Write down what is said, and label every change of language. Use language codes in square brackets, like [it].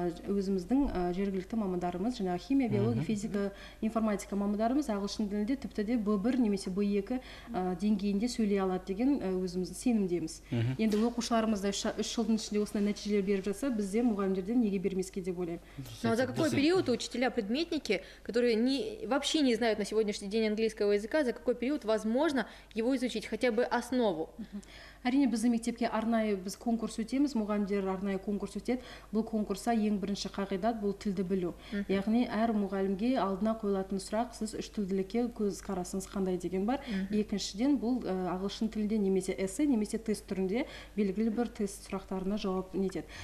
[kk] Өзіміздің жергілікті мамандарымыз, жаңағы химия, биология, физика, информатика мамандарымыз ағылшын тілінде тіпті де B1 немесе B2 деңгейінде сөйлей алады деген өзіміз сенімдеміз. Енді оқушыларымыз да 3 жылдың ішінде осындай нәтижелер беріп жатса, бізде мұғалімдерден неге бермеске деп ойлаймын. [ru] Но за какой период учителя предметники, которые вообще не знают на сегодняшний день английского языка, за какой период возможно его изучить, хотя бы основу? [kk] Әрине, біздің мектепке арнайы біз конкурс өтеміз, мұғалімдер арнайы конкурс өтеді. Бұл конкурса ең бірінші қағидат бұл тілді білу. Яғни, әр мұғалімге алдына қойылатын сұрақ, сіз үш тілділікке көз қарасыңыз қандай деген. бар. Екіншіден бұл ағылшын тілінде немесе эссе, немесе тест түрінде белгілі бір тест сұрақтарына жауап нетеді.